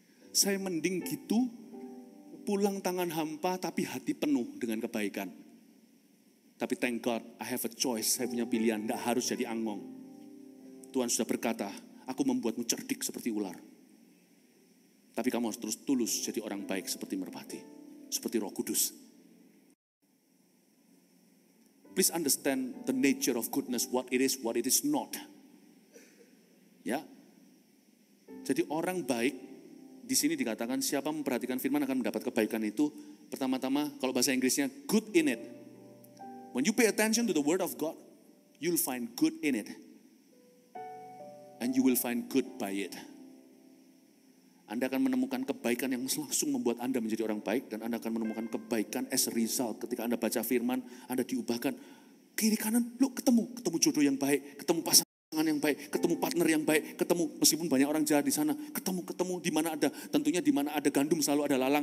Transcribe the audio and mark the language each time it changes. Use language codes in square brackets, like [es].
[id] Saya mending gitu, pulang tangan hampa tapi hati penuh dengan kebaikan. Tapi [en] thank God, I have a choice, [id] saya punya pilihan, gak harus jadi angong. Tuhan sudah berkata, aku membuatmu cerdik seperti ular. Tapi kamu harus terus tulus jadi orang baik seperti merpati, seperti Roh Kudus. [en] Please understand the nature of goodness, what it is not. [id] Ya. Jadi orang baik, di sini dikatakan siapa memperhatikan firman akan mendapat kebaikan itu. Pertama-tama, kalau bahasa Inggrisnya, [en] good in it. When you pay attention to the word of God, you'll find good in it. And you will find good by it. [id] Anda akan menemukan kebaikan yang langsung membuat Anda menjadi orang baik. Dan Anda akan menemukan kebaikan [en] as a result. [id] Ketika Anda baca firman, Anda diubahkan. Kiri kanan, lu ketemu jodoh yang baik. Ketemu pasangan yang baik. Ketemu partner yang baik. Ketemu, meskipun banyak orang jahat di sana. Ketemu di mana ada. Tentunya di mana ada gandum selalu ada lalang.